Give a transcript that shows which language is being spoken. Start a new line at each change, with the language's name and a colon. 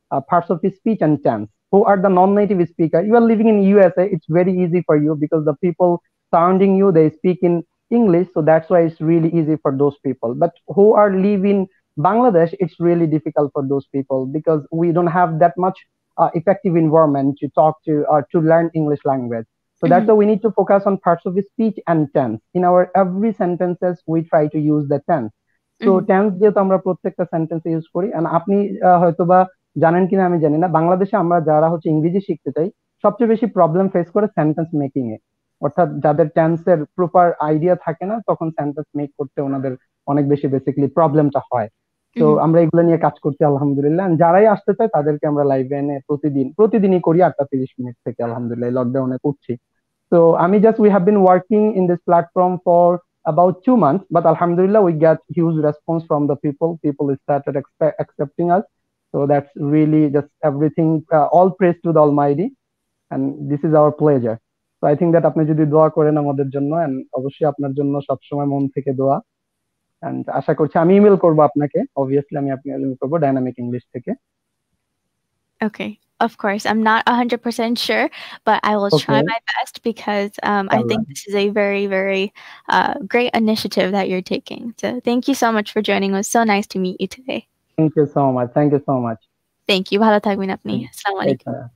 English: Parts of speech and tense, who are the non native speaker, you are living in USA, it's very easy for you because the people surrounding you they speak in English, so that's why it's really easy for those people, but who are live in Bangladesh it's really difficult for those people because we don't have that much effective environment to talk to or to learn English language. So mm-hmm. that's why we need to focus on parts of the speech and tense. In our every sentences, we try to use the tense.
Bangla: So mm-hmm. tense jeto amra prottekta sentence use kori and apni hoyto ba janen kina ami janina bangladeshe amra jara hocche english shikhte chai sobche beshi problem face kore sentence making e, orthat jader tense er proper idea thake na tokhon sentence make korte onader onek beshi basically problem ta hoy. তো আমরা এগুলো নিয়ে কাজ করছি আলহামদুলিল্লাহ, যারাই আসতে চায় তাদেরকে আমরা লাইভে এনে প্রতিদিন প্রতিদিনই করি 8:30 থেকে আলহামদুলিল্লাহ লকডাউনে করছি। তো আমি
English: Just we have been working in this platform for about 2 months, but আলহামদুলিল্লাহ we get huge response from the people, people started accepting us, so that's really just everything all praise to the almighty and this is our pleasure. So I think that
Bangla: আপনি যদি দোয়া করেন আমাদের জন্য, and অবশ্যই আপনার জন্য সবসময় মন থেকে দোয়া, and asha korchi ami email korbo apnake, obviously ami apnake email korbo dynamic english theke.
English: Okay, of course I'm not 100% sure but I will try my best because I think this is a very very great initiative that you're taking, so thank you so much for joining, it was so nice to meet you today. Thank you so much, thank you so much, thank you,
Bangla: bhalo thakbin apni, assalamu alaikum.